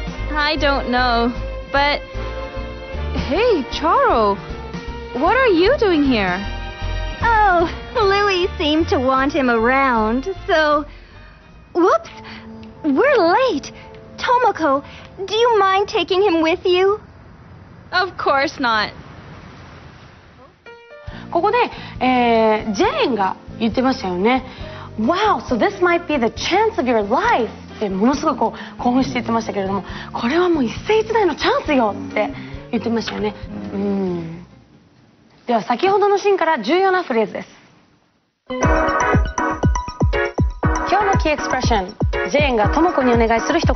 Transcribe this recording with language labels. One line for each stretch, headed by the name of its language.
English: I don't know, but... Hey, Charo, what are you doing here? Oh, Louis seemed to want him around, so... Whoops, we're late. Tomoko, do you mind taking him with you? Of course not.
Japanese: ここで、ジェーンが言ってましたよね。
English: Wow, so this might be the chance of your life!
Japanese: ってものすごく興奮して言ってましたけれども、これはもう一世一代のチャンスよって言ってましたよね。では先ほどのシーンから重要なフレーズです。今日のキーエクスプレッション、ジェーンがトモコにお願いする一言。